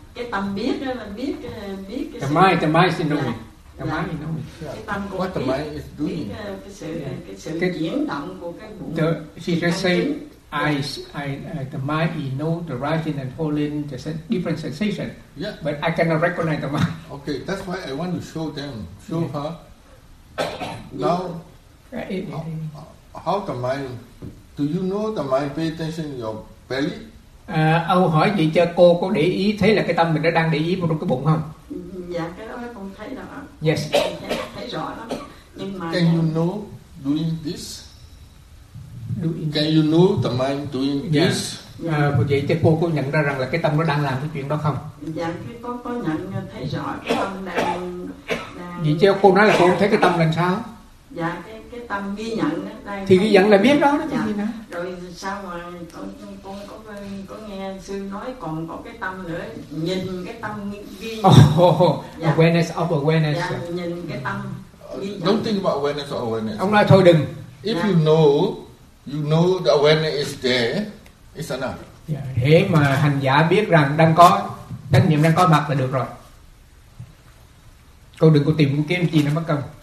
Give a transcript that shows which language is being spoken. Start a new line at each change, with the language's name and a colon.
Vietnamese: Cái tâm biết đó là biết cái.
English: The mind is knowing. What the mind is doing?
Vietnamese: Cái sự chuyển động của cái bụng.
English: She just say. I the mind he know the rising and falling the different sensation. Yeah. But I cannot recognize the mind. Okay, that's why I want to show her. How the mind? Do you know the mind pay attention in your belly?
Vietnamese: Ông hỏi vậy cho cô để ý thấy là cái tâm mình nó đang để ý vào trong cái bụng không? Dạ, cái đó con thấy rõ.
English: Yes.
Vietnamese: Thấy rõ lắm. Nhưng mà.
English: Can you know doing this? Can you know the mind doing this? Yeah.
Vietnamese: Vậy thì cô nhận ra rằng là cái tâm nó đang làm cái chuyện đó không? Dạ, cô nhận thấy rõ cái tâm đang. Vậy thì cô nói là cô thấy cái tâm làm sao? Dạ, cái tâm ghi nhận đang. Thì ghi nhận là biết đó. Dạ. Gì rồi sao mà con có nghe sư nói còn có cái tâm nữa, nhìn cái tâm ghi nhận.
English: Dạ. Awareness of awareness.
Vietnamese: Dạ, nhìn cái tâm ghi nhận.
English: Don't think about awareness of awareness.
Vietnamese: Ông nói thôi đừng.
English: If you know. You know the awareness is there, it's enough.
Vietnamese: Yeah, mà hành giả biết rằng đang có chánh niệm đang có mặt là được rồi. Cô đừng có tìm kiếm gì nó mất công.